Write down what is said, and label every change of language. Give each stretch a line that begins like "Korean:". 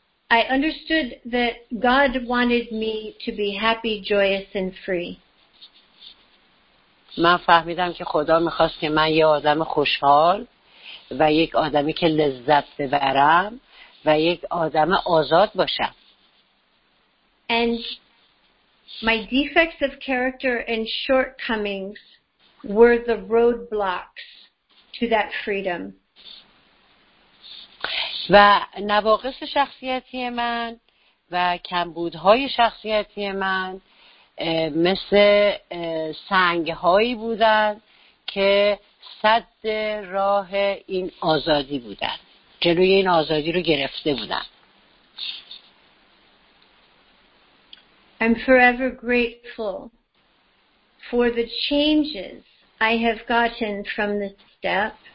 English: I understood that God wanted me to be happy, joyous, and free.
Persian: من فهمیدم که خدا میخواست که من یه آدم خوشحال و یک آدمی که لذت ببرم و یک آدم آزاد باشم.
English: And my defects of character and shortcomings were the roadblocks to that freedom.
Persian: و نواقص شخصیتی من و کمبودهای شخصیتی من مثل سنگهایی بودند که سد راه این آزادی بودند، جلوی این آزادی رو گرفته بودند.
English: I'm forever grateful for the changes I have gotten from this step.